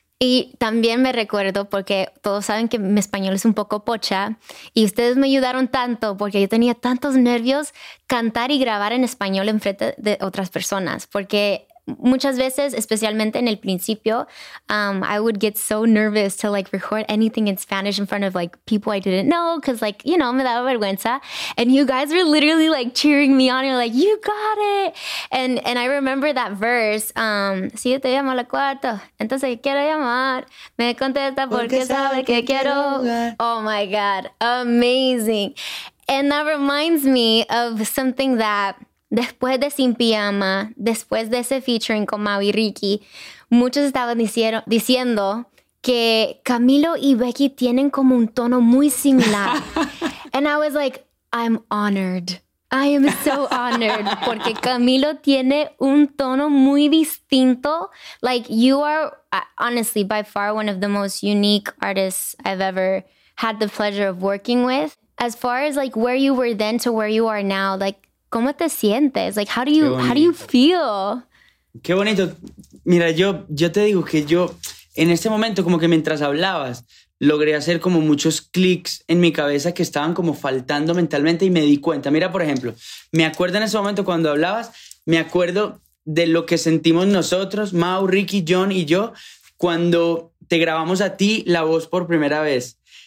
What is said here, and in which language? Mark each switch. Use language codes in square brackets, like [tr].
[es] Y también me recuerdo, porque todos saben que mi español es un poco pocha, y ustedes me ayudaron tanto porque yo tenía tantos nervios cantar y grabar en español en frente de otras personas, porque muchas veces, especialmente en el principio, [en] I would get so nervous to like record anything in Spanish in front of like people I didn't know, [es] because like, you know, me daba vergüenza. [en] And you guys were literally like cheering me on. You're like, you got it. And I remember that verse. [es] Si yo te llamo a la cuarta, entonces quiero llamar. Me contesta porque sabe que quiero. [en] Oh my God. Amazing. And that reminds me of something that [es] después de Sin Pijama, después de ese featuring con Mau y Ricky, muchos estaban diciendo que Camilo y Becky tienen como un tono muy similar. [en] And I was like, I'm honored. I am so honored [es] porque Camilo tiene un tono muy distinto. [en] Like, you are honestly by far one of the most unique artists I've ever had the pleasure of working with. As far as like where you were then to where you are now, like, [es] ¿cómo te sientes? [en] Like, how do you feel? [es] Qué bonito. Mira, yo te digo que yo en este momento, como que mientras hablabas, logré hacer como muchos clics en mi cabeza que estaban como faltando mentalmente y me di cuenta. Mira, por ejemplo, me acuerdo en ese momento cuando hablabas, me acuerdo de lo que sentimos nosotros, Mau, Ricky, John y yo, cuando te grabamos a ti la voz por primera vez.